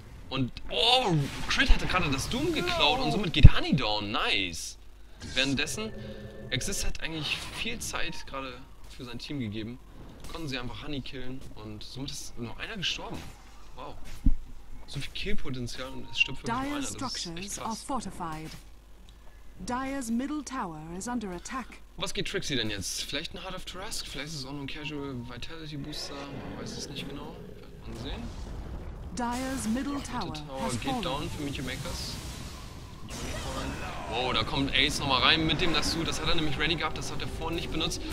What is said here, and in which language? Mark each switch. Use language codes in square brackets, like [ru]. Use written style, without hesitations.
[de] Und oh, Crit hatte gerade das Doom geklaut und somit geht Honey down. Nice. Währenddessen, Exist hat eigentlich viel Zeit gerade für sein Team gegeben. Konnten sie einfach Honey killen und somit ist nur einer gestorben. Wow. So viel Killpotenzial und es stirbt wirklich nur einer. [en] Structures are fortified. Dire's middle tower is under attack. [de] Was geht Trixie denn jetzt? Vielleicht ein Heart of Trask? Vielleicht ist es auch nur ein Casual Vitality Booster? Man weiß es nicht genau. Mal sehen. Dire's middle tower geht fallen. Down für Meteor Makers. Wow, da kommt Ace nochmal rein mit dem Lasso. Das hat er nämlich ready gehabt, das hat er vorhin nicht benutzt.